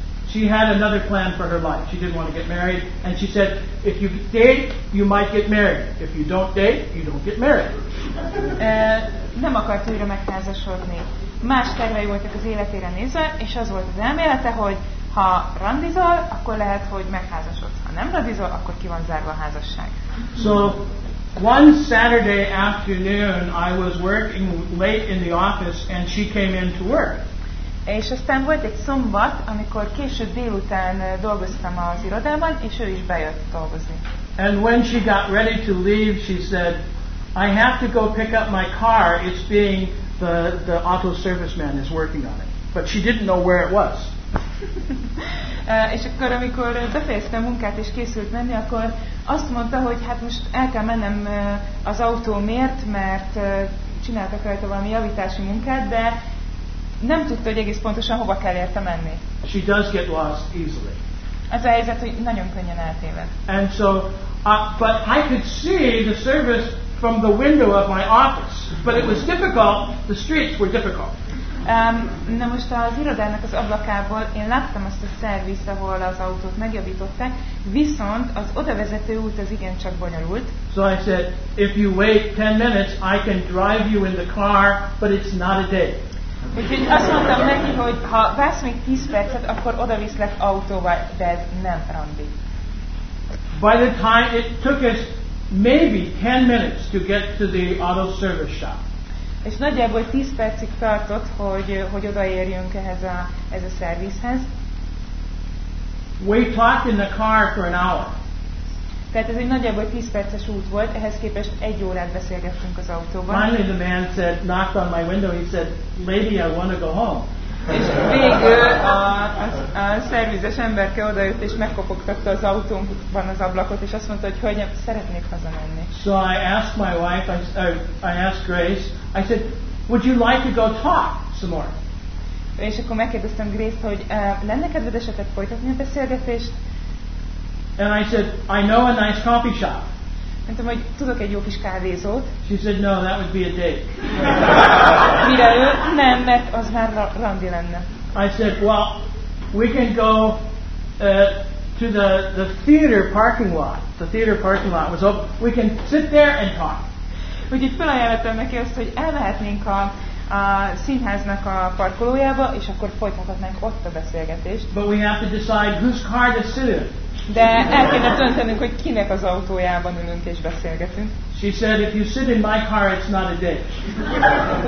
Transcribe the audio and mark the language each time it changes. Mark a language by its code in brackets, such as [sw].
[en] She had another plan for her life. She didn't want to get married, and she said, if you date, you might get married. If you don't date, you don't get married. [hu] Nem akart újra megházasodni. Más tervei voltak az életére nézve, és az volt az elmélete, hogy Ha randizol, akkor lehet, hogy megházasod. Ha nem randizol, akkor ki van zárva a házasság. [en] So one Saturday afternoon I was working late in the office and she came in to work. [hu] És aztán volt egy szombat, amikor késő délután dolgoztam az irodában, és ő is bejött dolgozni. [en] And when she got ready to leave, she said, I have to go pick up my car. It's being the auto serviceman is working on it. But she didn't know where it was. [hu] És akkor, amikor befejeztem munkát és készült menni, akkor azt mondta, hogy hát most el kell mennem az autómért, mert csináltak rajta valami javítási munkát, de nem tudta, hogy egész pontosan hova kell érte menni. [en] She does get lost easily. [hu] Ez a helyzet, hogy nagyon könnyen eltéved. [en] And so, but I could see the service from the window of my office, but it was difficult. The streets were difficult. [hu] Na most az irodának az ablakából én láttam azt a szervizt, ahol az autót megjavították, viszont az odavezető út az igencsak bonyolult. [en] So I said, if you wait 10 minutes, I can drive you in the car, but it's not a day. [hu] Úgyhogy azt mondtam neki, hogy ha vesz még 10 percet, akkor odaviszlek autóval, de ez nem randi. [en] By the time it took us maybe 10 minutes to get to the auto service shop. [hu] És nagyjából 10 percig tartott, hogy odaérjünk ehhez a ez a szervizhez. [en] We talked in the car for an hour. [hu] Tehát ez egy nagyjából 10 perces út volt, ehhez képest egy órát beszélgettünk az autóban. [en] Finally the man said, knocked on my window, he said, lady, I want to go home. [hu] És végül a szervizes emberke odajött és megkopogtatta az autónkban az ablakot, és azt mondta, hogy hölgyem, szeretnék hazamenni. [en] So I asked my wife, I asked Grace, I said, would you like to go talk some more? [hu] És akkor megkérdeztem Grace-t, hogy lenne kedved esetet folytatni a beszélgetést? [en] And I said, I know a nice coffee shop. [hu] Mondtam, hogy tudok egy jó kis kávézót. [en] She said, no, that would be a date. [hu] Mire ő, nem, mert az már randi lenne. [en] I said, well, we can go to the theater parking lot. The theater parking lot was open. We can sit there and talk. [hu] Úgyhogy felajánlottam neki azt, hogy elmehetnénk a színháznak a parkolójába, és akkor folytathatnánk ott a beszélgetést. [en] But we have to decide whose car to sit in. [hu] De el kéne döntenünk, hogy kinek az autójában ülünk és beszélgetünk. [en] She said, if you sit in my car, it's not a date.